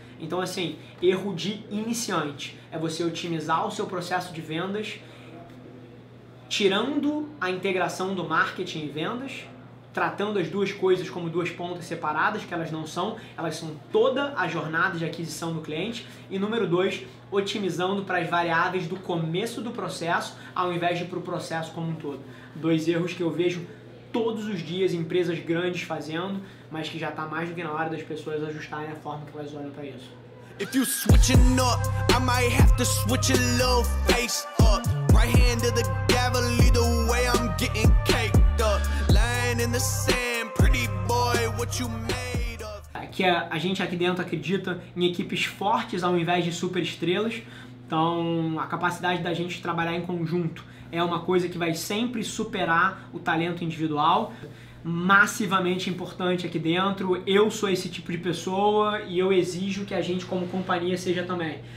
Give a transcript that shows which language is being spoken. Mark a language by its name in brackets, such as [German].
[Portuguese] Então, assim, erro de iniciante é você otimizar o seu processo de vendas tirando a integração do marketing e vendas, tratando as duas coisas como duas pontas separadas, que elas não são, elas são toda a jornada de aquisição do cliente. E número dois, otimizando para as variáveis do começo do processo, ao invés de para o processo como um todo. Dois erros que eu vejo todos os dias empresas grandes fazendo, mas que já está mais do que na hora das pessoas ajustarem a forma que elas olham para isso. [English] If you switching up, I might have to switch a little face up. Right hand of the gavel, lead the way I'm getting caked up. In the sand, pretty boy, what you made of? [Portuguese] Aqui a gente aqui dentro acredita em equipes fortes ao invés de super estrelas. Então a capacidade da gente trabalhar em conjunto é uma coisa que vai sempre superar o talento individual. Massivamente importante aqui dentro. Eu sou esse tipo de pessoa e eu exijo que a gente como companhia seja também.